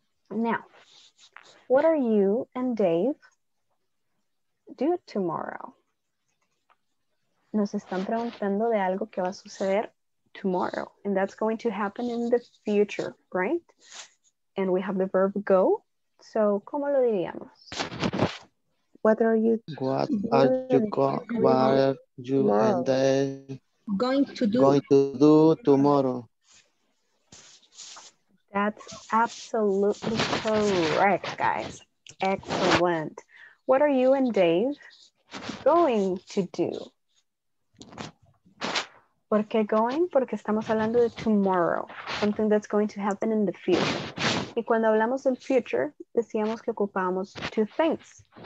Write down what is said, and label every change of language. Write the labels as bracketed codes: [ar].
[en] Now, what are you and Dave do tomorrow? [es] Nos están preguntando de algo que va a suceder tomorrow. [en] And that's going to happen in the future, right? And we have the verb go. So, [es] ¿cómo lo diríamos? [en] What are you going to do tomorrow? That's absolutely correct, guys. Excellent. What are you and Dave going to do? [es] ¿Por qué going? Porque estamos hablando de [en] tomorrow, something that's going to happen in the future. [es] Y cuando hablamos del future, decíamos que ocupamos [en] two things.